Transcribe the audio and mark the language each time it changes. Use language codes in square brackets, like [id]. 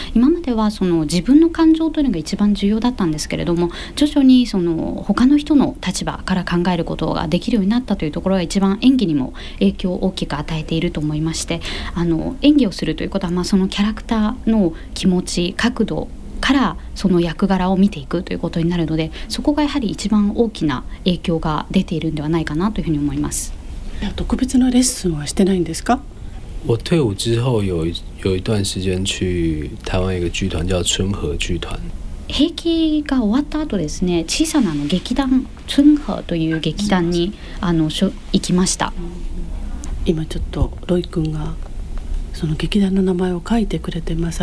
[ja] 今まではその自分の感情というのが一番重要だったんですけれども、徐々にその他の人の立場から考えることができるようになったというところが、一番演技にも影響を大きく与えていると思いまして、演技をするということは、そのキャラクターの気持ち、角度からその役柄を見ていくということになるので、そこがやはり一番大きな影響が出ているのではないかなというふうに思います。いや、特別なレッスンはしてないんですか？ [zh] 我退伍之后 有一段时间去台湾一个剧团叫春和剧团。 [ja] 兵役が終わった後ですね、小さな劇団春和という劇団に行きました。今ちょっとロイ君がその劇団の名前を書いてくれてます。